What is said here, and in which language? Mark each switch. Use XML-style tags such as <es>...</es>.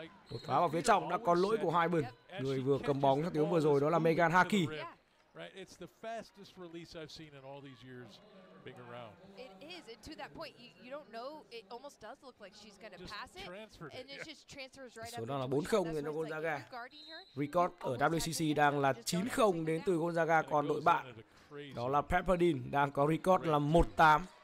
<vi>Đột phá vào phía trong đã có lỗi của hai bên. Người vừa cầm bóng trong tiếng vừa rồi đó là Megan Haki.</vi> <en>Right, it's the fastest release I've seen in all these years being around. It is, and to that point, you don't know. It almost does look like she's going to pass it, and it just transfers right up.</en> <vi>Số đó là 4-0 đến Gonzaga. Record ở WCC đang là 9-0 đến từ Gonzaga, còn đội bạn đó là Pepperdine đang có record là 1-8.</vi>